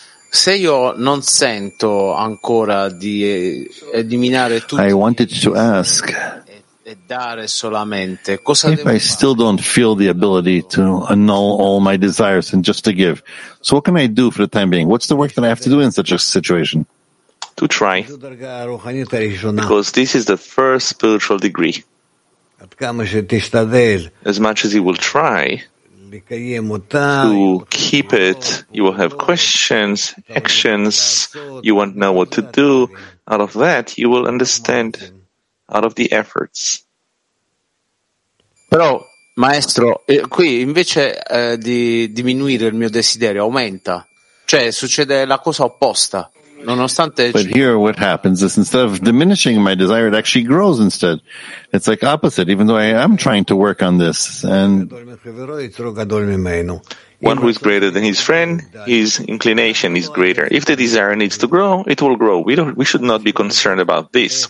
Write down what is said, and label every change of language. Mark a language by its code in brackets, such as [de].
[it] Se io non sento ancora di eliminare tutto. [en] I wanted to ask. [it] E dare solamente. Cosa [en] if I still don't feel the ability to annul all my desires and just to give, so what can I do for the time being? What's the work that I have to do in such a situation? To try. Because this is the first spiritual degree. As much as you will try to keep it, you will have questions, actions, you won't know what to do. Out of that, you will understand out of the efforts. [it] Però, maestro, qui invece di diminuire il mio desiderio, aumenta. Cioè, succede la cosa opposta. Nonostante. [en] But here what happens is instead of diminishing my desire, it actually grows instead. It's like opposite, even though I am trying to work on this. And one who is greater than his friend, his inclination is greater. If the desire needs to grow, it will grow. We should not be concerned about this.